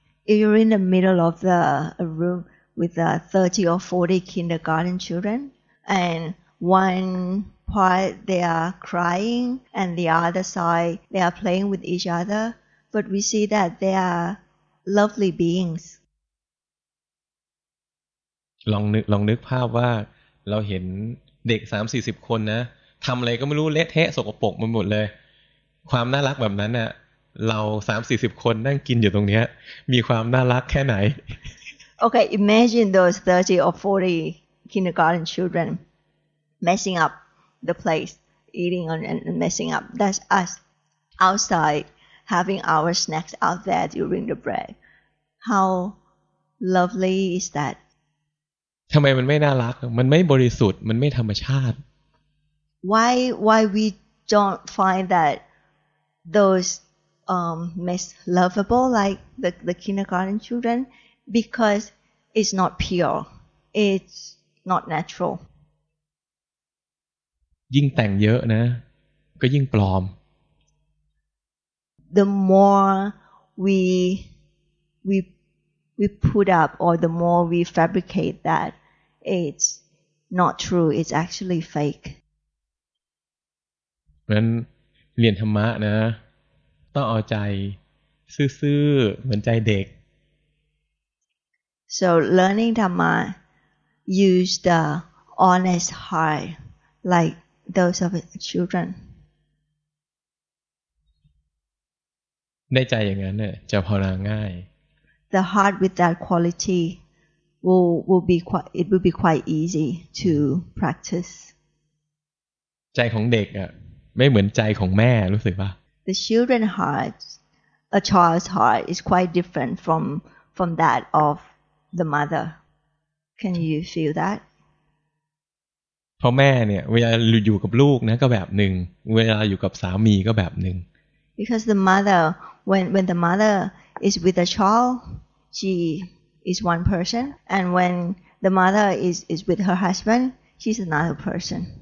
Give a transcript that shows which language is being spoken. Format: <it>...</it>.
<en>If you're in the middle of the room with the 30 or 40 kindergarten children and one part they are crying and the other side they are playing with each other but we see that they are lovely beings</en> <th>ลองนึกภาพว่าเราเห็นเด็ก 30-40 คนนะทำอะไรก็ไม่รู้เละเทะสกปรกมันหมดเลยความน่ารักแบบนั้นน่ะเรา 30-40 คนนั่งกินอยู่ตรงเนี้ยมีความน่ารักแค่ไหน</th> <en>Okay imagine those 30 or 40 kindergarten children messing up the place eating and messing up that's us outside having our snacks out there during the break how lovely is that</en> <th>ทำไมมันไม่น่ารักมันไม่บริสุทธิ์มันไม่ธรรมชาติ</th> <en>Why we don't find that those mess lovable like the kindergarten children because it's not pure it's not natural</en> <th>ยิ่งแต่งเยอะนะก็ยิ่งปลอม</th> <en>The more we put up or the more we fabricate thatIt's not true. It's actually fake.</en> <th>เพราะฉะนั้น เรียนธรรมะนะต้องเอาใจซื่อๆเหมือนใจเด็ก</th> <en>So learning Dhamma use the honest heart like those of children</en> <th>ได้ใจอย่างนั้นน่ะจะภาวนาง่าย</th> <en>The heart with that qualitywill be quite easy to practice</en> <th>ใจของเด็กอ่ะไม่เหมือนใจของแม่รู้สึกป่ะ</th> <en>The children's heart a child's heart is quite different from that of the mother can you feel that</en> <th>พอแม่เนี่ยเวลาอยู่กับลูกนะก็แบบนึงเวลาอยู่กับสามีก็แบบนึง</th> <en>because the mother when the mother is with a child sheis one person and when the mother is with her husband she's another person</en>